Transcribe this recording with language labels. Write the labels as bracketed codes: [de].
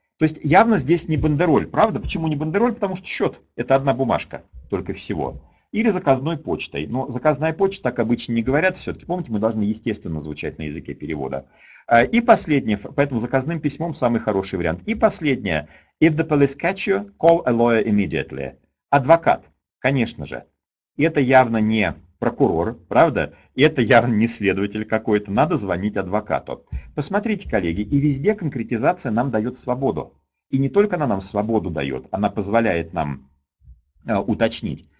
[ru] То есть явно здесь не бандероль, правда? Почему не бандероль? Потому что счет – это одна бумажка только всего. Или заказной почтой. Но заказная почта так обычно не говорят. Все-таки, помните, мы должны естественно звучать на языке перевода. И последнее. Поэтому заказным письмом самый хороший вариант. И последнее. [en] If the police catch you, call a lawyer immediately. [ru] Адвокат. Конечно же. Это явно не прокурор, правда? Это явно не следователь какой-то. Надо звонить адвокату. Посмотрите, коллеги, и везде конкретизация нам дает свободу. И не только она нам свободу дает, она позволяет нам уточнить.